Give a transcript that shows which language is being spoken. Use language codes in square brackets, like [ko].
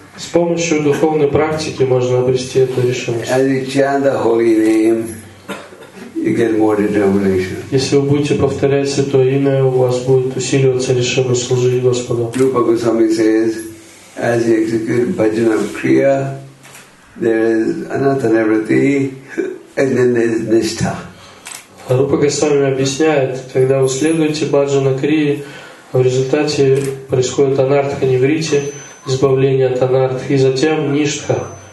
[ru] С помощью духовной практики можно обрести эту решимость. [en] As you chant the holy name, you get more determination. [ru] Если вы будете повторять святое имя, у вас будет усиливаться решимость служить Господу. [en] Rupa Goswami says, as you execute bhajan of kriya, there is anatanavritti, and then there is nishtha. [ru] Рупа Госвами объясняет, когда вы следуете баджана крии, в результате происходит анартха неврити, избавление от анартхи, и затем ништха.